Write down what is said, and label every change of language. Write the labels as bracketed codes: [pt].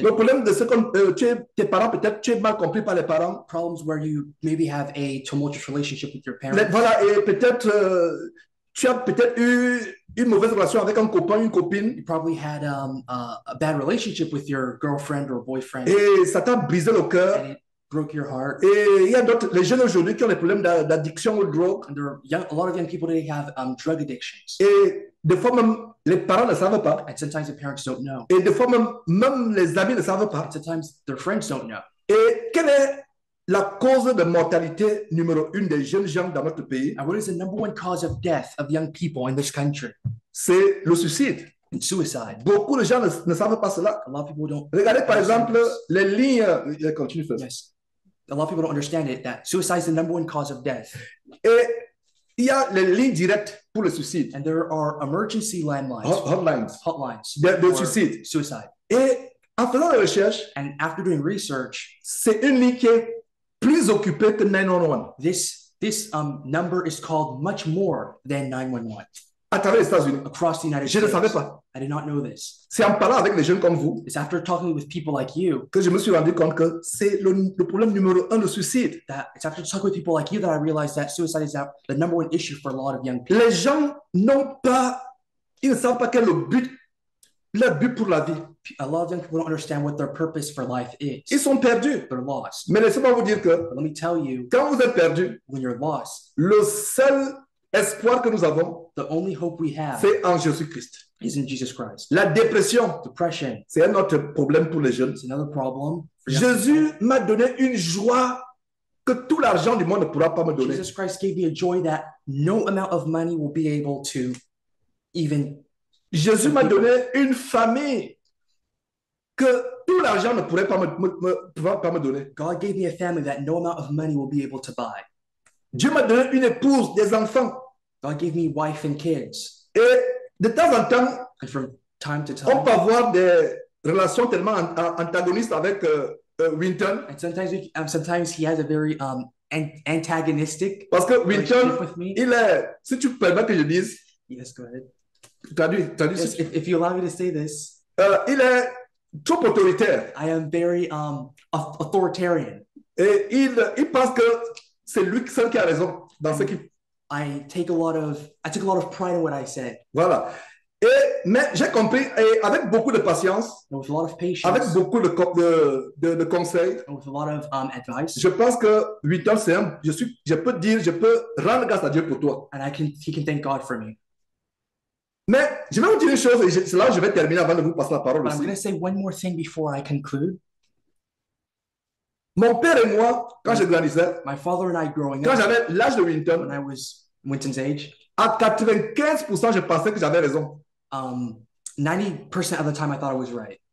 [fr] Le problème de ce que tes parents, peut-être tu es mal compris par les parents. [en] Problems where you maybe have a tumultuous relationship with your parents. [fr] Voilà, et peut-être tu as peut-être eu une mauvaise relation avec un copain, une copine. [en] You probably had a bad relationship with your girlfriend or boyfriend. [fr] Et ça t'a brisé le cœur. [en] Broke your heart. [fr] Et il y a d'autres, les jeunes aujourd'hui qui ont des problèmes d'addiction ou de drogue. [en] And there are young, a lot of young people today have drug addictions. [fr] Et des fois même, les parents ne savent pas. [en] And sometimes the parents don't know. [fr] Et des fois même les amis ne savent pas. [en] And sometimes their friends don't know. [fr] Et quelle est la cause de mortalité numéro une des jeunes gens dans notre pays? [en] And what is the number one cause of death of young people in this country? [fr] C'est le suicide. [en] And suicide. [fr] Beaucoup de gens ne savent pas cela. [en] A lot of people don't. [fr] Regardez par exemple les lignes. Je continue first. [en] Yes. A lot of people don't understand it, that suicide is the number one cause of death. [fr] Et il y a les lignes directes pour le suicide. [en] And there are emergency landlines. Hotlines. Hotlines. [fr] De suicide. [en] Suicide. [fr] Et en faisant la recherche. [en] And after doing research. [fr] C'est une ligne qui est plus occupée que 911. [en] This number is called much more than 911. [fr] À travers les États-Unis. [en] Across the United [fr] je [en] States. [fr] Je ne savais pas. [en] I did not know this. [fr] C'est en parlant avec les jeunes comme vous. [en] It's after talking with people like you. [fr] Que je me suis rendu compte que c'est le problème numéro un de suicide. [en] That it's after talking with people like you that I realized that suicide is the number one issue for a lot of young people. [fr] Les gens n'ont pas, ils ne savent pas quel est le but pour la vie. [en] A lot of young people don't understand what their purpose for life is. [fr] Ils sont perdus. [en] They're lost. [fr] Mais laissez-moi vous dire que, [en] but let me tell you, [fr] quand vous êtes perdu, [en] when you're lost, [fr] le seul espoir que nous avons, [en] the only hope we have, [fr] c'est en Jésus-Christ. [en] Is in Jesus Christ. [fr] La dépression, [en] depression, [fr] c'est un autre problème pour les jeunes. [en] It's another problem. [fr] Jésus m'a donné une joie que tout l'argent du monde ne pourra pas me donner. [en] Jesus Christ gave me a joy that no amount of money will be able to even. [fr] Jésus m'a donné une famille que tout l'argent ne pourrait pas me donner. [en] God gave me a family that no amount of money will be able to buy. [fr] Dieu m'a donné une épouse, des enfants. [en] God gave me wife and kids. [fr] Et de temps en temps, [en] and from time to time, [fr] on peut avoir des relations tellement antagonistes avec Winton. [en] And sometimes, sometimes he has a very antagonistic. [fr] Parce que Winton, il est. Si tu permets que je dise. [en] Yes, go ahead. [fr] Traduis. [en] Yes, if you allow me to say this. [fr] Il est trop autoritaire. [en] I am very authoritarian. [fr] Et il pense que c'est lui seul qui a raison dans ce qui. [en] I took a lot of pride in what I said. [fr] Voilà. Et mais j'ai compris et avec beaucoup de patience. [en] And with a lot of patience. [fr] Avec beaucoup de conseils. [en] And with a lot of advice. [fr] Je pense que 8 ans c'est un. Je peux dire, je peux rendre grâce à Dieu pour toi. [en] And he can thank God for me. [fr] Mais je vais vous dire une chose et c'est là je vais terminer avant de vous passer la parole. [en] But [fr] aussi. [en] I'm going to say one more thing before I conclude. [fr] Mon père et moi, quand je grandissais, [en] my father and I growing [fr] quand [en] up, [fr] j'avais l'âge de Winton, [en] when I was Winton's age, [fr] à 95% je pensais que j'avais raison. [en] 90% of the time I thought I was right.